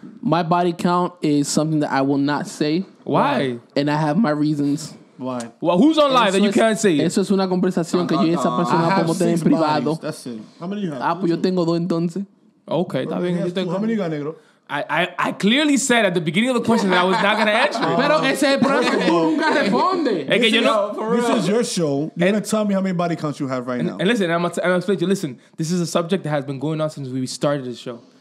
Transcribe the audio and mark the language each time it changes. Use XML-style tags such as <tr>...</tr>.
<en>My body count is something that I will not say. Why? And I have my reasons. Why? Well, who's on live that you can't say?</en> <es>Eso es una conversación que yo y esa persona podemos tener en privado.</es> <en>That's it. How many you have?</en> <es>Ah, pues yo tengo 2 entonces.</es> <en>Okay,</en> <es>está bien.</es> <en>How many you got, Negro? I clearly said at the beginning of the question that I was not going to answer.</en> <es>Pero ese es el problema. Nunca responde. Es que yo no,</es> <en>this is your show. You're going to tell me how many body counts you have right now. And listen, I'm going to explain to you. Listen, this is a subject that has been going on since we started the show.</en>